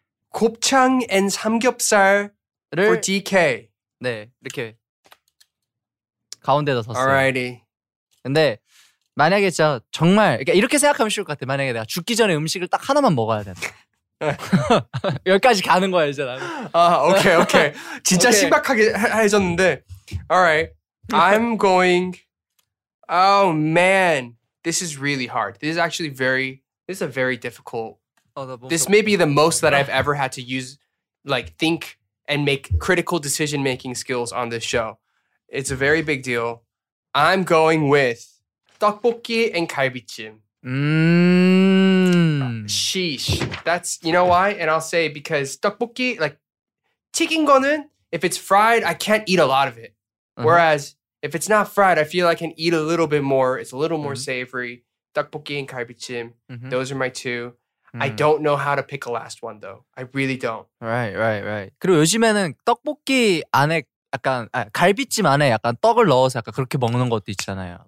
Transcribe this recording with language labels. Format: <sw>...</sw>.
<en>곱창 and 삼겹살을 for DK.</en> <ko>네, 이렇게 가운데다 섰어요.</ko> <en>Alrighty.</en> <ko>근데 만약에 진짜 정말 이렇게 생각하면 쉬울 것 같아. 만약에 내가 죽기 전에 음식을 딱 하나만 먹어야 된다. 여기까지 가는 거야 이제 나는. 아, 오케이, 오케이. 진짜 okay. 신박하게 해줬는데.</ko> <en>Alright, I'm going… Oh man, this is really hard. This is actually very… This is a very difficult… This may be the most that I've ever had to use, like, think and make critical decision-making skills on this show. It's a very big deal. I'm going with 떡볶이 and 갈비찜. Sheesh. That's, you know why? And I'll say because 떡볶이, like,</en> <ko>튀긴 거는,</ko> <en>if it's fried, I can't eat a lot of it. Whereas, if it's not fried, I feel I can eat a little bit more. It's a little more savory. 떡볶이 and 갈비찜. Those are my two. I don't know how to pick a last one though. I really don't. Right.</en> <ko>그리고 요즘에는 떡볶이 안에 약간 아, 갈비찜 안에 약간 떡을 넣어서 약간 그렇게 먹는 것도 있잖아요.</ko>